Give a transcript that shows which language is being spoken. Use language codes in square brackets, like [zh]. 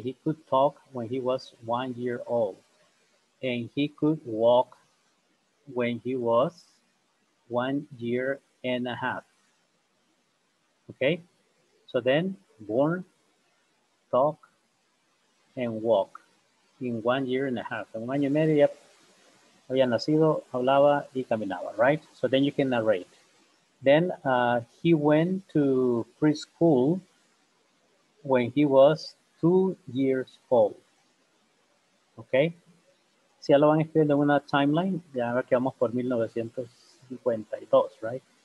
[en] He could talk when he was 1 year old. And he could walk when he was 1 year and a half. Okay, so then born, talk, and walk in 1 year and a half. [es] En un año y medio ya había nacido, hablaba y caminaba, [en] right? So then you can narrate. Then he went to preschool when he was 2 years old. [es] Okay, si ya lo van escribiendo en una timeline, ya ahora que vamos por 1952, [en] right?